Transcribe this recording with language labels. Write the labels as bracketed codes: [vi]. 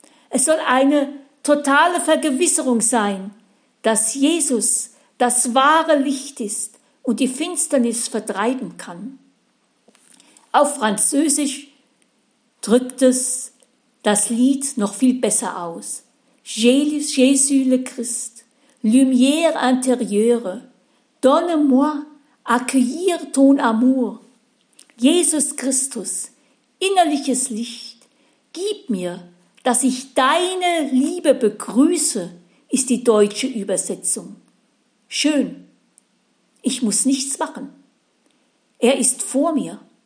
[de] Es soll eine totale Vergewisserung sein, dass Jesus das wahre Licht ist und die Finsternis vertreiben kann. Auf Französisch drückt es das Lied noch viel besser aus. [fr] Jésus le Christ, lumière intérieure, donne-moi accueillir ton amour. [de] Jesus Christus, innerliches Licht, gib mir, dass ich deine Liebe begrüße, ist die deutsche Übersetzung. Schön, ich muss nichts machen. Er ist vor mir.